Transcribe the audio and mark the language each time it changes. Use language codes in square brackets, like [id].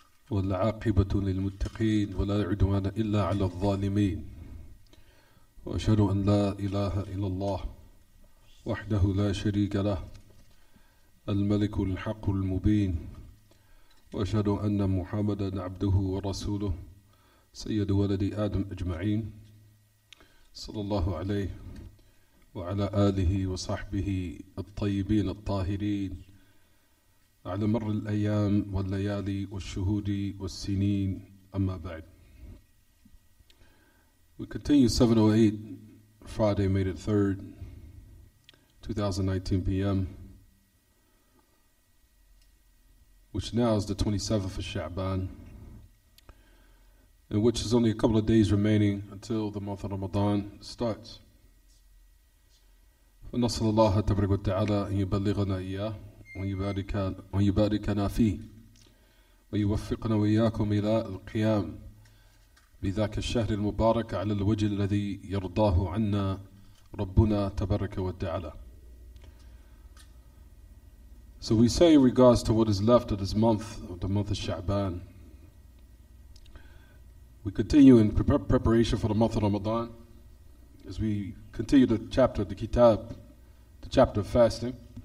[ar] والعاقبة للمتقين ولا عدوان إلا على الظالمين وأشهد أن لا إله إلا الله وحده لا شريك له الملك الحق المبين وأشهد أن محمدا عبده ورسوله سيد ولد آدم أجمعين صلى الله عليه وعلى آله وصحبه الطيبين الطاهرين على مر الأيام والليالي والشهود والسنين أما بعد. [en] We continue 7:08 Friday, May the 3rd, 2019 p.m. which now is the 27th of Sha'ban, and which is only a couple of days remaining until the month of Ramadan starts. [ar] فنصل الله تبارك وتعالى أن يبلغنا إياه ويباركنا فيه ويوفقنا وإياكم إلى القيام بذاك الشهر المبارك على الوجه الذي يرضاه عنا ربنا تبارك وتعالى. [en] So we say in regards to what is left of this month, of the month of Sha'ban, we continue in preparation for the month of Ramadan as we continue the chapter of the Kitab, the chapter of fasting.